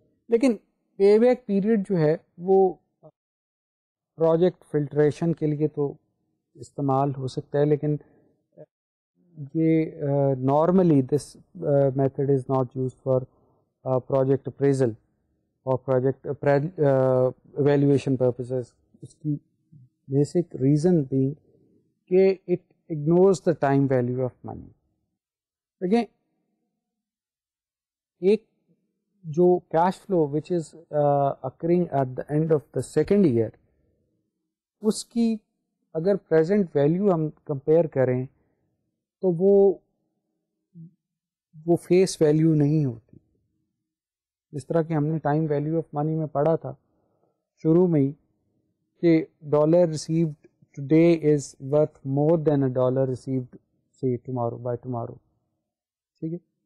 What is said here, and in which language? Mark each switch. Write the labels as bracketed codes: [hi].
[hi] लेकिन payback period जो है वो प्रोजेक्ट फिल्ट्रेशन के लिए तो इस्तेमाल हो सकता है, लेकिन ये normally [en] This method is not use for project appraisal और project evaluation purposes. इसकी basic reason being के it ignores the time value of money. Again, [hi] एक जो [en] cash flow which is occurring at the end of the second year, [hi] उसकी अगर present value हम compare करें तो वो फेस वैल्यू नहीं होती। जिस तरह कि हमने टाइम वैल्यू ऑफ मनी में पढ़ा था शुरू में ही कि [en] dollar received today is worth more than a dollar received से tomorrow by tomorrow, [hi] ठीक है।